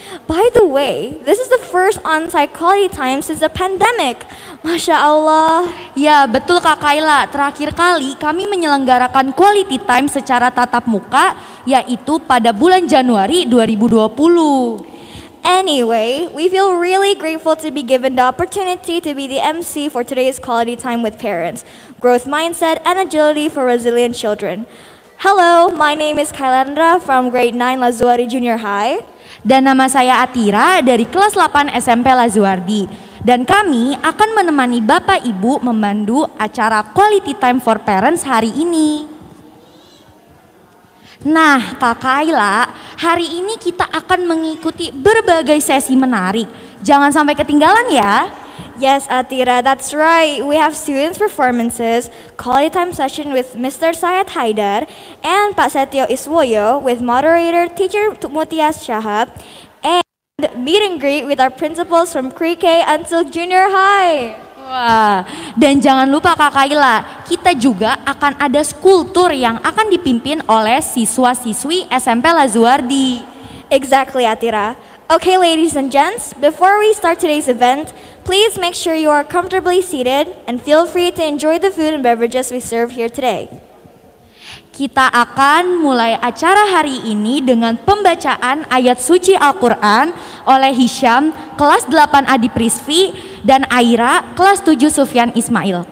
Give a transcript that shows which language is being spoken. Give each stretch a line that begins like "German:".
English: By the way, this is the first on-site quality time since the pandemic.
Indonesian: Masya Allah. Ya, betul Kak Kaila. Terakhir kali kami menyelenggarakan quality time secara tatap muka, yaitu pada bulan Januari 2020.
English: Anyway, we feel really grateful to be given the opportunity to be the MC for today's quality time with parents, growth mindset, and agility for resilient children. Hello, my name is Kailandra from grade 9 Lazuardi Junior High.
Indonesian: Dan nama saya Atira dari kelas 8 SMP Lazuardi. Dan kami akan menemani Bapak Ibu memandu acara Quality Time for Parents hari ini. Nah, Kak Kaila, hari ini kita akan mengikuti berbagai sesi menarik. Jangan sampai ketinggalan ya.
English: Yes, Atira, that's right. We have student performances, quality time session with Mr. Syed Haidar and Pak Setio Iswoyo with moderator teacher Mutias Shahab, and meet and greet with our principals from pre-K until junior high.
Indonesian: Wah, dan jangan lupa Kak Kaila, kita juga akan ada school tour yang akan dipimpin oleh siswa-siswi SMP Lazuardi.
English: Exactly, Atira. Okay, ladies and gents, before we start today's event, please make sure you are comfortably seated and feel free to enjoy the food and beverages we serve here today.
Indonesian: Kita akan mulai acara hari ini dengan pembacaan ayat suci Al-Quran oleh Hisham, kelas 8 Adi Prisvi, dan Aira, kelas 7 Sufyan Ismail.